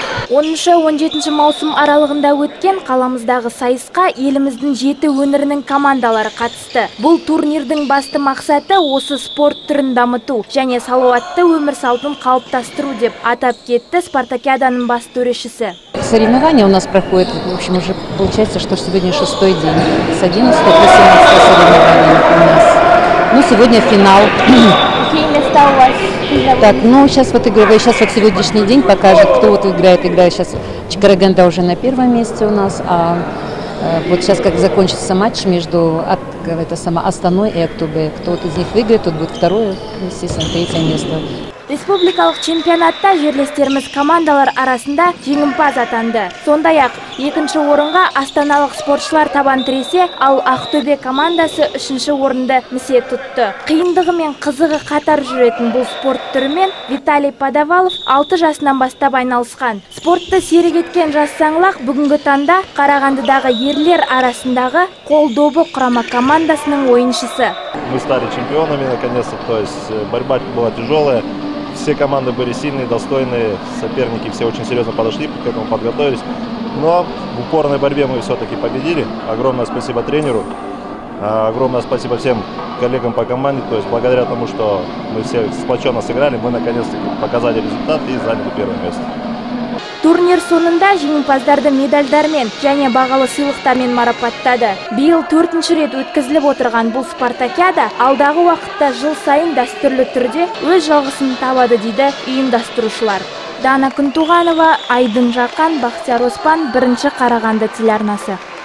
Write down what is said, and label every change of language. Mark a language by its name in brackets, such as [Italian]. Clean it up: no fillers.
[Kazakh] Оныншы 17-ші маусым аралығында өткен қаламыздағы сайысқа еліміздің 7 өңірінің командалары қатысты. Бұл турнирдің басты мақсаты осы спорт түрін дамыту және салауатты өмір салтын қалыптастыру деп атап кетті спартакиаданың бас төрешісі. [Russian] Соревнования у нас проходят, в общем, уже получается, что сегодня 6-й день. С 11-го по 17-го соревнования у нас. Ну, сегодня финал. Так, ну сейчас вот игровой, сейчас вот сегодняшний день покажет, кто вот играет, играет. Сейчас Караганда уже на первом месте у нас, а вот сейчас как закончится матч между Астаной и Актобе. Кто вот из них выиграет, тот будет второе, естественно, третье место. [Kazakh] Республикалық чемпионатта жерлестеріміз командалар арасында жеңімпаз атанды. Сондай-ақ, екінші орынға астаналық спортшылар табан тіресе, ал Ақтөбе командасы үшінші орынды місе тұтты. Қиындығы мен қызығы қатар жүретін бұл спорт түрімен Виталий Подавалов 6 жасынан бастап айналысқан. Спортты серік еткен жас саңлақ бүгінгі таңда Қарағандыдағы ерлер арасындағы қол добы құрама командасының ойыншысы. [Russian] Мы стали чемпионами наконец-то, то есть борьба была тяжелая. Все команды были сильные, достойные, соперники все очень серьезно подошли, к этому подготовились. Но в упорной борьбе мы все-таки победили. Огромное спасибо тренеру, огромное спасибо всем коллегам по команде. То есть благодаря тому, что мы все сплоченно сыграли, мы наконец-то показали результат и заняли первое место. [Kazakh] Турнир соңында жеңімпаздарды медальдармен және бағалы сыйлықтармен марапаттады. Биыл 4-ші рет өткізіліп отырған бұл спартакиада алдағы уақытта жыл сайын дәстүрлі түрде өз жалғасын табады дейді ұйымдастырушылар. Дана Күнтуғанова, Айдын Жақан, Бақтияр Оспан, бірінші Қарағанды телеарнасы.